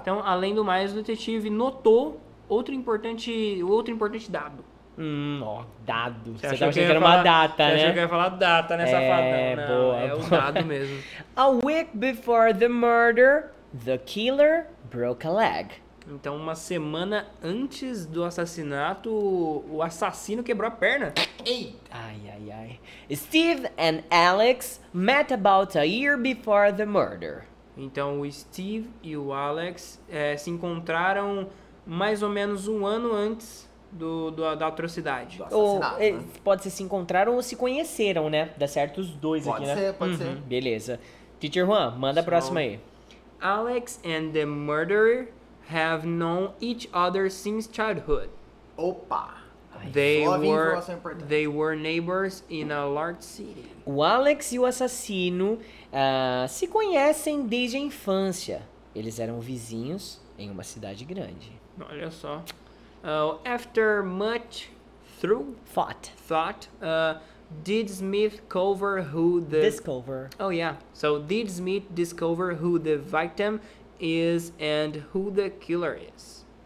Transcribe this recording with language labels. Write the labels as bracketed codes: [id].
[pt] Então, além do mais, o detetive notou outro importante dado. Dado. Você tava achando que era uma data, né? Você achou que ia falar data, né, safadão? Boa. É o dado mesmo. [en] A week before the murder, the killer broke a leg. [pt] Então, uma semana antes do assassinato, o assassino quebrou a perna. Eita! [en] Ai, ai, ai. Steve and Alex met about a year before the murder. [pt] Então, o Steve e o Alex se encontraram mais ou menos um ano antes da atrocidade. Do assassinato, ou, né? Pode ser se encontraram ou se conheceram, né? Dá certo os dois pode aqui, ser, né? Pode ser. Beleza. Teacher Juan, manda a próxima aí. [en] Alex and the murderer have known each other since childhood. [pt] Opa! [en] They were neighbors in a large city. [pt] O Alex e o assassino se conhecem desde a infância. Eles eram vizinhos em uma cidade grande. Olha só. [en] After much thought, did Smith cover who the... Discover. Oh, yeah. So, did Smith discover who the victim is and who the killer is?